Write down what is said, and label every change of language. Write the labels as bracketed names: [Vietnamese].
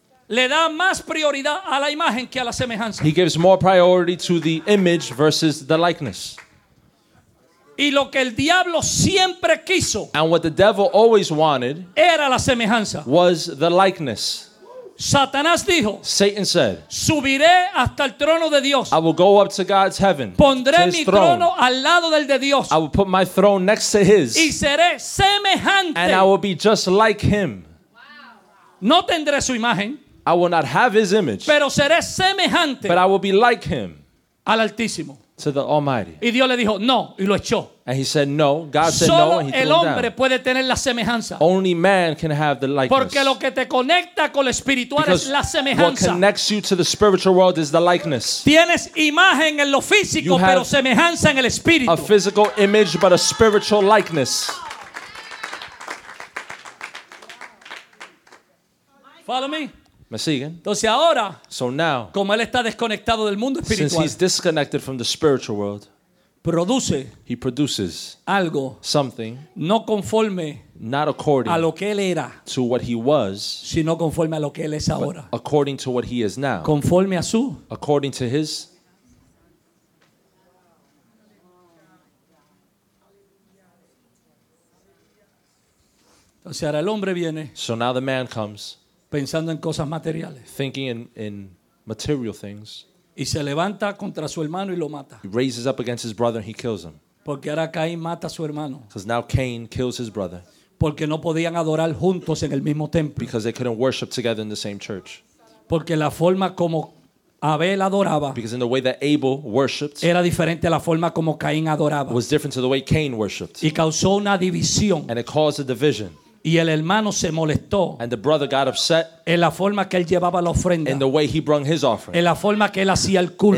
[Spanish] Le da más prioridad a la imagen que a la semejanza. [English] He gives more priority to the image versus the likeness. [Spanish] Y lo que el diablo siempre quiso, [English] and what the devil always wanted, [Spanish] era la semejanza, [English] was the likeness. [Spanish] Satanás dijo, [English] Satan said, [Spanish] subiré hasta el trono de Dios. [English] I will go up to God's heaven. [Spanish] Pondré [English] to [Spanish] mi trono al lado del de Dios. [English] I will put my throne next to his. [Spanish] Y seré semejante. [English] And I will be just like him. [Spanish] No tendré su imagen. [English] I will not have his image. [Spanish] Pero seré semejante. [English] But I will be like him. [Spanish] Al Altísimo. [English] To the Almighty. [Spanish] Y Dios le dijo, no, y lo echó. [English] And he said no. God said [Spanish] solo [English] no, and he threw [Spanish] el hombre puede tener la semejanza. [English] Only man can have the likeness. [Spanish] Porque lo que te conecta con lo espiritual [English] because [Spanish] es la semejanza. [English] What connects you to the spiritual world is the likeness. [Spanish] Tienes imagen en lo físico, pero semejanza en el espíritu. [English] A physical image but a spiritual likeness. Follow me. [Spanish] ¿Me siguen? Entonces ahora, [English] so now, [Spanish] como él está desconectado del mundo espiritual, [English] since he's disconnected from the spiritual world, [Spanish] produce, [English] he produces [Spanish] algo, [English] something, [Spanish] no conforme, [English] not according [Spanish] a lo que él era, [English] to what he was, [Spanish] sino conforme a lo que él es ahora, [English] according to what he is now, [Spanish] conforme a su, [English] according to his. [Spanish] Entonces ahora el hombre viene. [English] So now the man comes. [Spanish] Pensando en cosas materiales. [English] Thinking in material things. [Spanish] Y se levanta contra su hermano y lo mata. [English] He raises up against his brother and he kills him. [Spanish] Porque ahora Caín mata a su hermano. [English] Because now Cain kills his brother. [Spanish] Porque no podían adorar juntos en el mismo templo. [English] Because they couldn't worship together in the same church. [Spanish] Porque la forma como Abel adoraba, [English] because in the way that Abel worshipped, [Spanish] era diferente a la forma como Caín adoraba. [English] Was different to the way Cain worshipped. [Spanish] Y causó una división. [English] And it caused a division. [Spanish] Y el hermano se molestó. [English] And the brother got upset. [Spanish] En la forma que él llevaba la ofrenda. [English] In the way he brought his offering. [Spanish] En la forma que él hacía el culto.